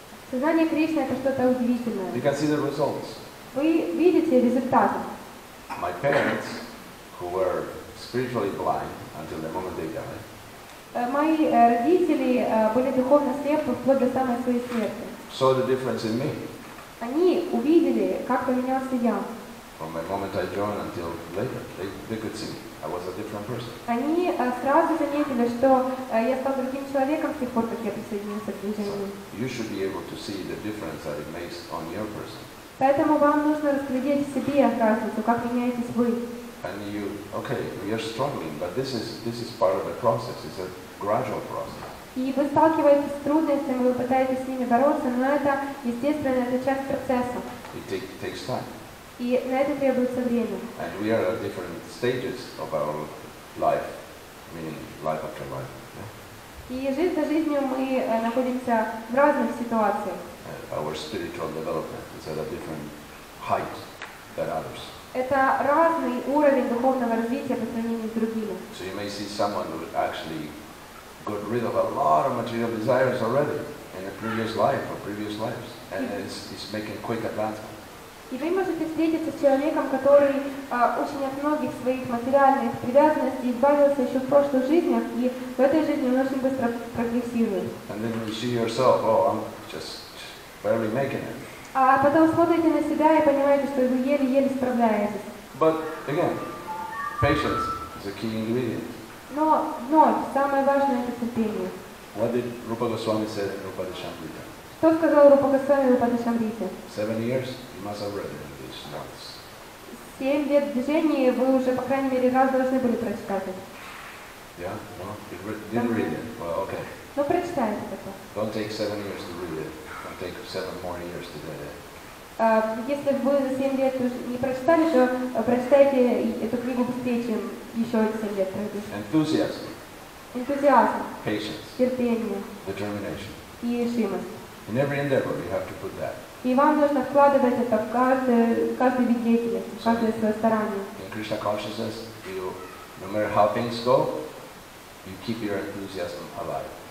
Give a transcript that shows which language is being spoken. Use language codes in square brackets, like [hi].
[ru] Сознание Кришны — это что-то удивительное. [en] You can see the results. [ru] Вы видите результаты. [en] My parents, who were spiritually blind until the moment they died. [ru] Мои родители были духовно слепы вплоть до самой своей смерти. [en] Saw the difference in me. [ru] Они увидели, как поменялся я. [en] From the moment I joined until later, they could see I was a different person. [ru] Они сразу заметили, что я стал другим человеком с тех пор, как я присоединился к движению. [en] So you should be able to see the difference that it makes on your person. [ru] Поэтому вам нужно разглядеть в себе разницу, как меняетесь вы. [en] And you, okay, you're struggling, but this is part of the process. It's a gradual process. [ru] И вы сталкиваетесь с трудностями, вы пытаетесь с ними бороться, но это естественно, это часть процесса. [en] It takes time. [ru] И на это требуется время. [en] And we are at different stages of our life, meaning life after life. [ru] И жизнь за жизнью мы находимся в разных ситуациях. [en] Our spiritual development is at a different height than others. [ru] Это разный уровень духовного развития по сравнению с другими. [en] So you may see someone who actually got rid of a lot of material desires already in a previous life or previous lives, and is making quick advancement. [ru] И вы можете встретиться с человеком, который очень от многих своих материальных привязанностей избавился еще в прошлых жизнях, и в этой жизни он очень быстро прогрессирует. [en] And then you see yourself, oh, I'm just barely making it. [ru] А потом смотрите на себя и понимаете, что вы еле-еле справляетесь. [en] But again, patience is a key ingredient. [ru] Но самое важное — это терпение. [en] What did Rupa Goswami say in Upadeshamrita? [ru] Что сказал Рупа Госвами в Упадешамрите? [en] 7 years, you must have read in these notes. [ru] 7 лет движения вы уже, по крайней мере, раз должны были прочитать. [en] Yeah, no, well, didn't read it. Well, okay. [ru] Но прочитайте это. [en] Don't take 7 years to read it. Take 7 more years to get it. [ru] Если вы за 7 лет не прочитали, то прочитайте эту книгу быстрее, чем еще 7 лет пройдет. [en] Enthusiasm. Enthusiasm. Patience. [ru] Терпение. [en] Determination. [ru] И решимость. [en] In every endeavor you have to put that. [ru] И вам нужно вкладывать это в каждый вид деятельности, в каждое свое старание. [en] In Krishna consciousness, no matter how things go, you keep your enthusiasm alive.